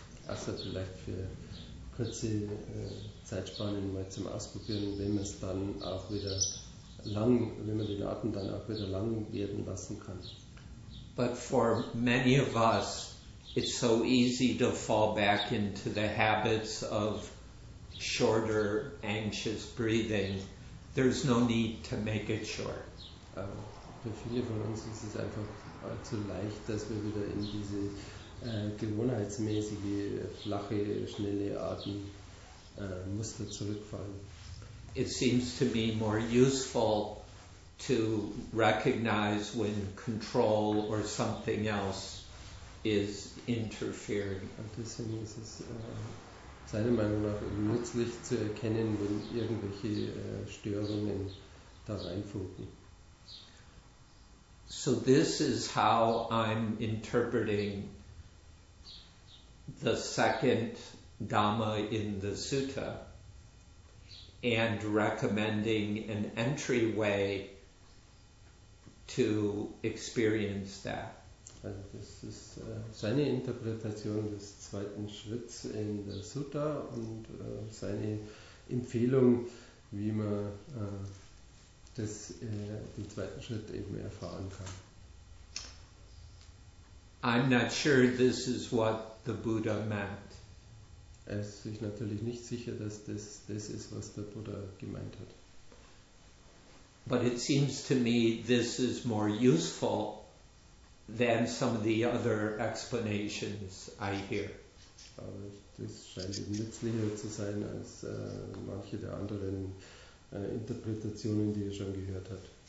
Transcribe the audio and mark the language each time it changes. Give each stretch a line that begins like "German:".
German: Also vielleicht für kurze Zeitspannen mal zum Ausprobieren, wenn man es dann auch wieder lang, wenn man den Atem dann auch wieder lang werden lassen kann.
English: But for many of us, it's so easy to fall back into the habits of shorter, anxious breathing. There's no need to make it short.
German: Für viele von uns ist es einfach zu leicht, dass wir wieder in diese gewohnheitsmäßige, flache, schnelle Atemmuster zurückfallen.
English: It seems to be more useful to recognize when control or something else is interfering.
German: Und deswegen ist es seiner Meinung nach nützlich zu erkennen, wenn irgendwelche Störungen da reinfunken.
English: So this is how I'm interpreting the second Dhamma in the Sutta and recommending an entryway to experience that.
German: Also das ist seine Interpretation des zweiten Schritts in der Sutta und seine Empfehlung, wie man den zweiten Schritt eben erfahren kann.
English: I'm not sure this is what the Buddha meant.
German: Er ist sich natürlich nicht sicher, dass das ist, was der Buddha gemeint hat.
English: But it seems to me this is more useful than some of the other explanations I hear.
German: Aber das scheint eben nützlicher zu sein als manche der anderen Interpretationen, die er schon gehört hat.